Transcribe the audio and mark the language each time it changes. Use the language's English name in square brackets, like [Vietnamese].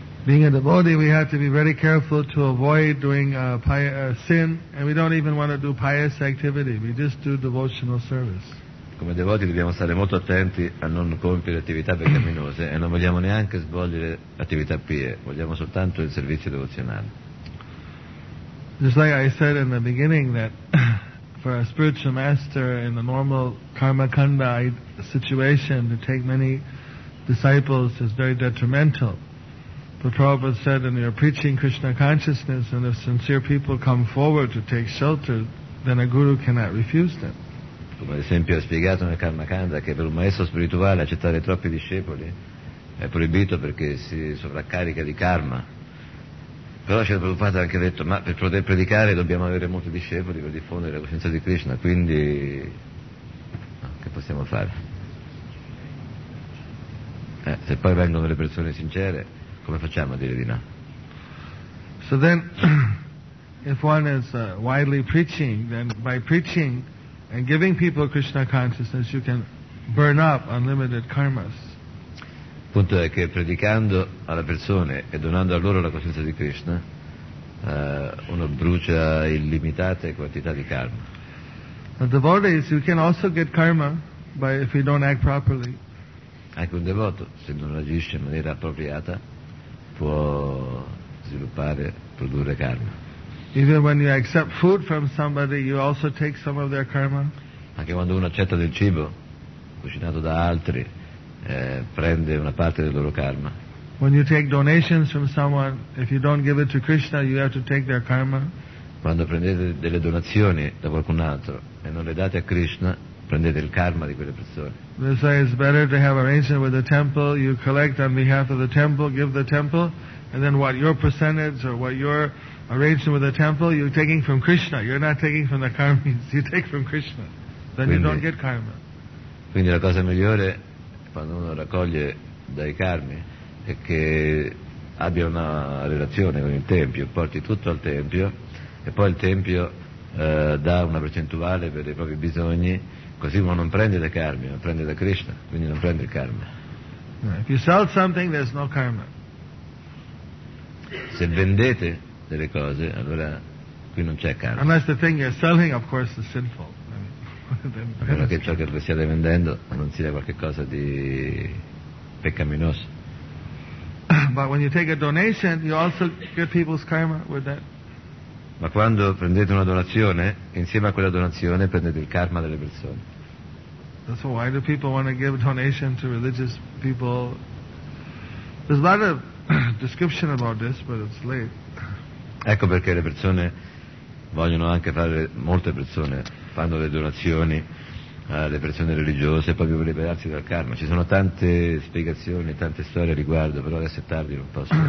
[English] Being a devotee, we have to be very careful to avoid doing sin, and we don't even want to do pious activity. We just do devotional service. [Italian] Come devoti dobbiamo stare molto attenti a non compiere attività peccaminose e non vogliamo neanche svolgere attività pie, vogliamo soltanto il servizio devozionale. [English] Just like I said in the beginning that for a spiritual master in the normal karmakanda situation to take many disciples is very detrimental. The Prabhupada said when you're preaching Krishna consciousness and if sincere people come forward to take shelter, then a guru cannot refuse them. [Italian] Come ad esempio ha spiegato nel Karmakanda che per un maestro spirituale accettare troppi discepoli è proibito perché si sovraccarica di karma. Però c'è il Prabhupada ha anche detto, ma per poter predicare dobbiamo avere molti discepoli per diffondere la coscienza di Krishna, quindi che possiamo fare? Se poi vengono le persone sincere, come facciamo a dire di no? [English] So then, if one is widely preaching, then by preaching and giving people Krishna consciousness, you can burn up unlimited karmas. [Italian] Il punto è che predicando alla persona e donando a loro la coscienza di Krishna, uno brucia illimitate quantità di karma. [English] The devotees, you can also get karma by if you don't act properly. [Italian] Anche un devoto, se non agisce in maniera appropriata, può sviluppare, produrre karma. [English] Even when you accept food from somebody, you also take some of their karma. [Italian] Anche quando uno accetta del cibo cucinato da altri, prende una parte del loro karma. [English] When you take donations from someone, if you don't give it to Krishna, you have to take their karma. [Italian] Quando prendete delle donazioni da qualcun altro e non le date a Krishna, prendete il karma di quelle persone. [English] They say it's better to have arrangement with the temple. You collect on behalf of the temple, give the temple, and then what your percentage or what your arrangement with the temple, you're taking from Krishna. You're not taking from the karmis. You take from Krishna. Then [Italian] quindi, [English] you don't get karma. [Italian] Quindi la cosa migliore quando uno raccoglie dai karmi è che abbia una relazione con il tempio, porti tutto al tempio e poi il tempio dà una percentuale per i propri bisogni, così uno non prende da karma, ma prende da Krishna, quindi non prende il karma. [English] If you sell something, there's no karma. [Italian] Se vendete delle cose, allora qui non c'è karma. [English] Unless the thing you're selling, of course, is sinful. [Italian] A meno che ciò che stiate vendendo non sia qualcosa di peccaminoso. [English] But when you take a donation, you also get people's karma with that. [Italian] Ma quando prendete una donazione, insieme a quella donazione prendete il karma delle persone. [English] So why do people want to give donation to religious people? There's a lot of description about this, but it's late. [Italian] Ecco perché le persone vogliono anche fare, molte persone fanno le donazioni alle persone religiose proprio per liberarsi dal karma. Ci sono tante spiegazioni, tante storie al riguardo, però adesso è tardi, non posso.